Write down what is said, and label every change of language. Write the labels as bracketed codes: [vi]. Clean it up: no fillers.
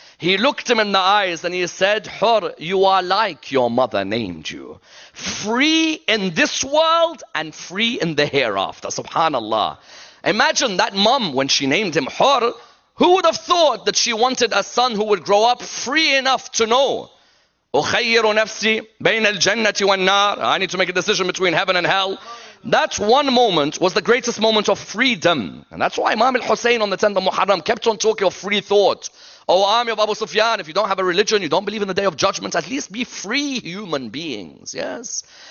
[en] He looked him in the eyes and he said, Hur, you are like your mother named you. Free in this world and free in the hereafter. Subhanallah. Imagine that mom when she named him Hur. Who would have thought that she wanted a son who would grow up free enough to know? [ar] أخير نفسي بين الجنة والنار. [en] I need to make a decision between heaven and hell. That one moment was the greatest moment of freedom. And that's why Imam al-Hussein on the 10th of Muharram kept on talking of free thought. O army of Abu Sufyan, if you don't have a religion, you don't believe in the day of judgment, at least be free human beings. Yes?